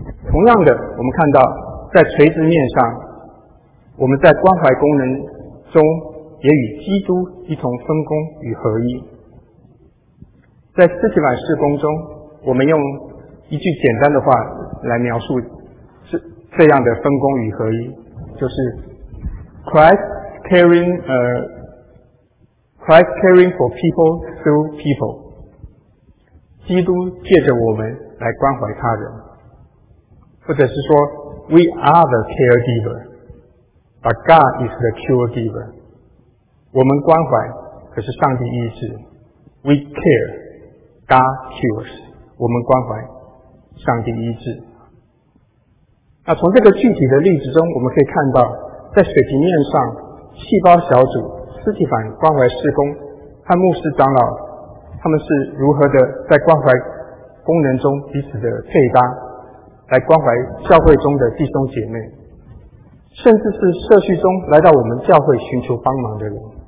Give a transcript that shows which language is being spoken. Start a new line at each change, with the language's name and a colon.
Chinese: 同样的，我们看到在垂直面上，我们在关怀功能中也与基督一同分工与合一。在肢体反事工中，我们用一句简单的话来描述这样的分工与合一，就是 Christ
English: caring, Christ caring for people through people.
Chinese: 基督借着我们来关怀他人。或者是说
English: ,we are the caregiver, but God is the cure giver.
Chinese: 我们关怀可是上帝医治。
English: We care, God cures.
Chinese: 我们关怀上帝医治。那从这个具体的例子中我们可以看到在水平面上细胞小组斯蒂凡关怀事工和牧师长老他们是如何的在关怀功能中彼此的配搭来关怀教会中的弟兄姐妹甚至是社区中来到我们教会寻求帮忙的人